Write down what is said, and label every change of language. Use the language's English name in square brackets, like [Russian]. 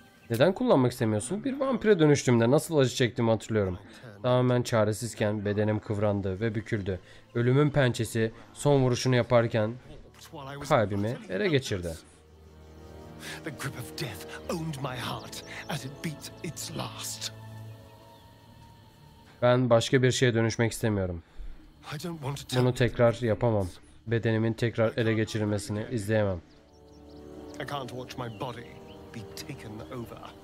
[Turkish] Neden kullanmak istemiyorsun? Bir vampire dönüştüğümde nasıl acı çektiğimi hatırlıyorum. Tamamen çaresizken bedenim kıvrandı ve büküldü. Ölümün pençesi son vuruşunu yaparken kalbimi ele geçirdi. [English] The grip of death owned my heart as it beat its last. [Turkish] Ben başka bir şeye dönüşmek istemiyorum. Bunu tekrar yapamam. Bedenimin tekrar ele geçirilmesini izleyemem. [English] I can't watch my body be taken over.